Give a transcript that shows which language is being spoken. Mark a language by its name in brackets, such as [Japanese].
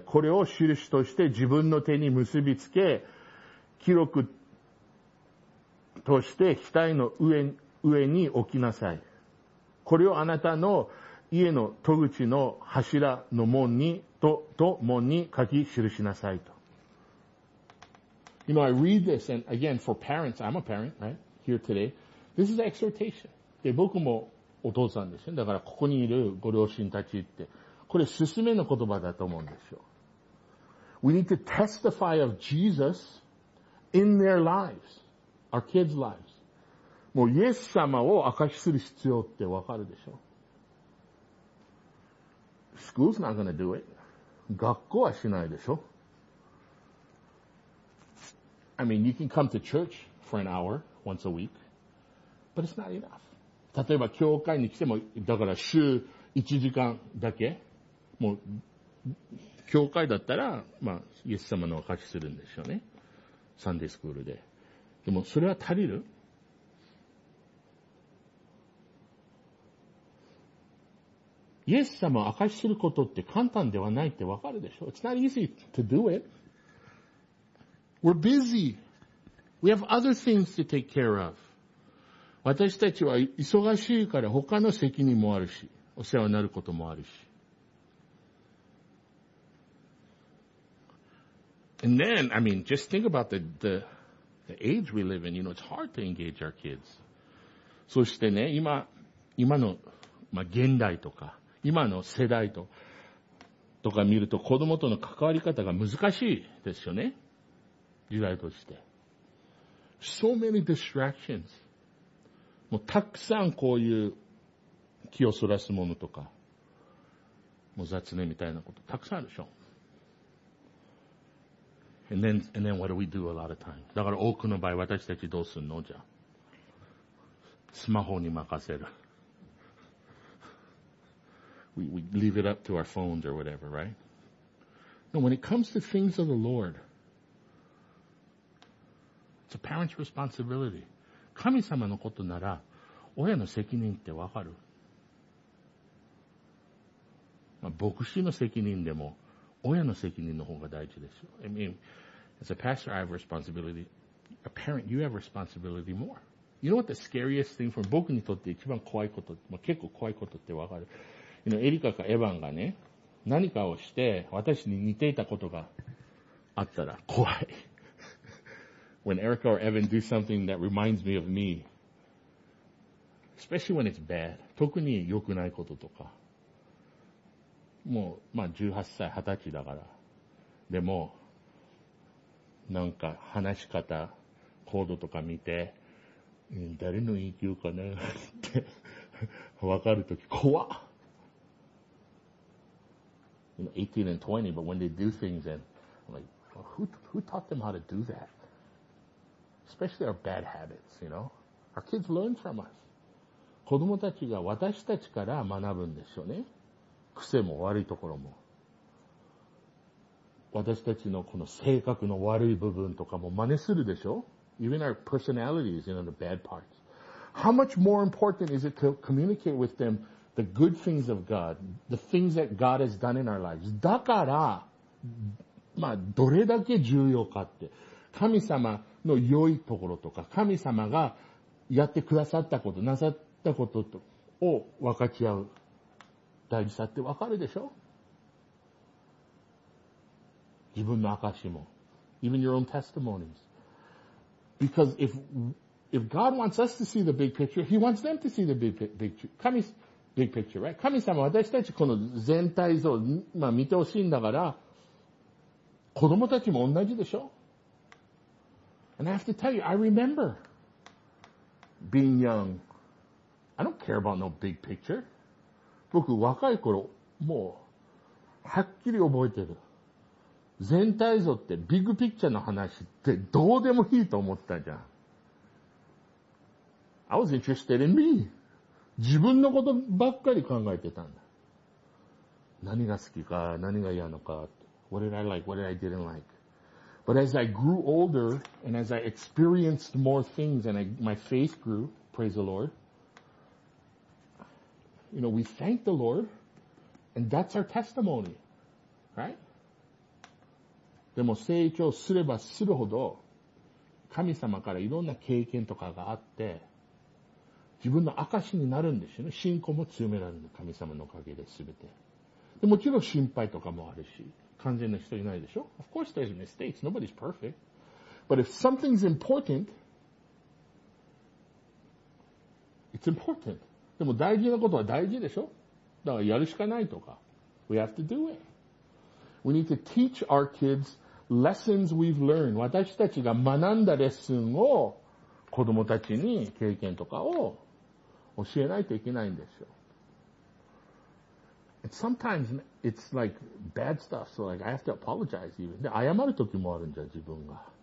[Japanese] これを印として自分の手に結びつけ、記録として額の上に置きなさい。これをあなたの家の戸口の柱の門に、と門に書き記しなさいと。 [English] You know, I read this, and again, for parents, I'm a parent, right, here today. This is an exhortation. [Japanese] で、僕もお父さんですよ。だから、ここにいるご両親たちって、これ、勧めの言葉だと思うんですよ。 [English] We need to testify of Jesus in their lives, our kids' lives. [Japanese] もう、イエス様を証しする必要ってわかるでしょ。 [English] School's not gonna do it. [Japanese] 学校はしないでしょ。 [English] I mean, you can come to church for an hour once a week, but it's not enough. [Japanese] 例えば教会に来ても、だから週1時間だけ、もう教会だったら、まあ、イエス様の証しするんでしょうね。サンデースクールで。でも、それは足りる？イエス様を証しすることって簡単ではないってわかるでしょ？ [English] It's not easy to do it. We're busy. We have other things to take care of. [Japanese] 私たちは忙しいから他の責任もあるし、お世話になることもあるし。 [English] And then, I mean, just think about the age we live in. You know, it's hard to engage our kids. [Japanese] そしてね、今の、まあ、現代とか、今の世代とか見ると子供との関わり方が難しいですよね。時代として。 [English] So many distractions. [Japanese] もうたくさんこういう気をそらすものとか、もう雑念みたいなことたくさんあるでしょ。 [English] And then what do we do a lot of time? [Japanese] だから多くの場合私たちどうするのじゃあ。スマホに任せる。 [English] We leave it up to our phones or whatever, right? No, when it comes to things of the Lord, it's a parent's responsibility. [Japanese] 神様のことなら、親の責任ってわかる？まあ、牧師の責任でも、親の責任の方が大事ですよ。 [English] I mean, as a pastor, I have responsibility. A parent, you have responsibility more. You know what the scariest thing for [Japanese] 僕にとって一番怖いこと、まあ、結構怖いことってわかる？エリカかエヴァンがね、何かをして私に似ていたことがあったら怖い。 [English] When Erica or Evan do something that reminds me of me, especially when it's bad, [Japanese] 特に良くないこととか、もうまあ18歳20歳だから、でもなんか話し方コードとか見て、誰の言い切るかねってわかるとき怖っ。 [English] You know, 18 and 20, but when they do things, and I'm like, well, who taught them how to do that? Especially our bad habits, you know? Our kids learn from us. [Japanese] 子供たちが私たちから学ぶんですよね。癖も悪いところも。私たちのこの性格の悪い部分とかも真似するでしょ？ [English] Even our personalities, you know, the bad parts. How much more important is it to communicate with them? The good things of God, the things that God has done in our lives. [Japanese] だから、まあ、どれだけ重要かって。神様の良いところとか、神様がやってくださったこと、なさったことを分かち合う大事さって分かるでしょ？自分の証も。 [English] Even your own testimonies. Because if God wants us to see the big picture, He wants them to see the big picture. [Japanese] 神様は私たちこの全体像を、まあ、見てほしいんだから、子供たちも同じでしょ [English] ?And I have to tell you, I remember being young. I don't care about no big picture. [Japanese] 僕若い頃、もう、はっきり覚えてる。全体像ってビッグピッチャーの話ってどうでもいいと思ったじゃん。 [English] I was interested in me. [Japanese] 自分のことばっかり考えてたんだ。何が好きか、何が嫌のか。 [English] What did I like? What did I didn't like? But as I grew older, and as I experienced more things, and my faith grew, praise the Lord, you know, we thank the Lord, and that's our testimony, right? [Japanese] でも成長すればするほど、神様からいろんな経験とかがあって、自分の証になるんですよね。信仰も強められるの。神様のおかげで全て。でもちろん心配とかもあるし、完全な人いないでしょ。 [English] Of course there's mistakes. Nobody's perfect. But if something's important, it's important. [Japanese] でも大事なことは大事でしょ。だからやるしかないとか。 [English] We have to do it. We need to teach our kids lessons we've learned. [Japanese] 私たちが学んだレッスンを子供たちに経験とかを教えないといけないんですよ。 [English] And sometimes it's like bad stuff, so like I have to apologize even. [Japanese] で、謝る時もあるんじゃ、自分が。